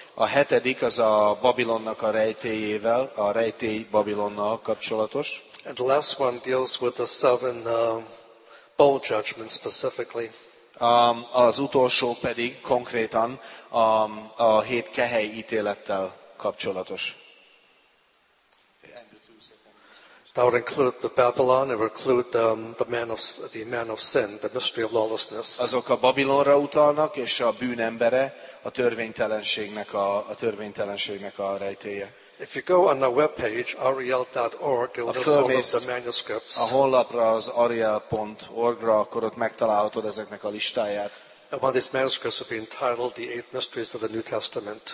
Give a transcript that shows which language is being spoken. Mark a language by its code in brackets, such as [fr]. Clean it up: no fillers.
[hu] A hetedik az a Babilonnak a rejtélyével, a rejtély Babilonnal kapcsolatos. [en] And the last one deals with the seven bowl judgments specifically. [hu] Az utolsó pedig konkrétan a hét kehely ítélettel kapcsolatos. [en] That would include the Babylon, it would include the man of sin, the mystery of lawlessness. [hu] Azok a Babilonra utalnak, és a bűn embere, a törvénytelenségnek a rejtélye. [en] If you go on the webpage, ariel.org, it lists all of the manuscripts. [hu] A honlapra, az ariel.org-ra, akkor ott megtalálhatod ezeknek a listáját. [en] And one of these manuscripts would be entitled The 8 Mysteries of the New Testament.